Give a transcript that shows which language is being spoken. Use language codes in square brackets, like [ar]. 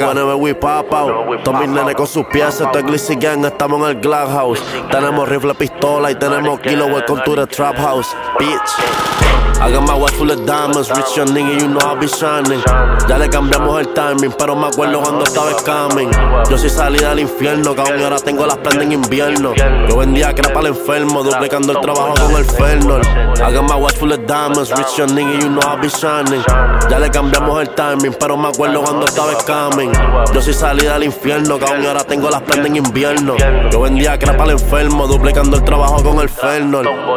[en] Whenever we pop out, [es] todos mis nenes con sus piezas. Esto es Glissi Gang, estamos en el Glock House. Tenemos rifle, pistola y tenemos kilo. [en] Welcome to the Trap House, bitch. I got my watch full of diamonds, rich young nigga, you know I be shining. [es] Ya le cambiamos el timing, pero me acuerdo cuando estaba scamming. Yo soy salida del infierno, cabrón, y ahora tengo las prendas en invierno. Yo vendía crap al enfermo, duplicando el trabajo con el Fernor. [en] I got my watch full of diamonds, rich young nigga, you know I be shining. [es] Ya le cambiamos el timing, pero me acuerdo cuando estaba scamming. Yo soy salida del infierno, cabrón, y ahora tengo las prendas en invierno. Yo vendía crap al enfermo, duplicando el trabajo con el Fernor.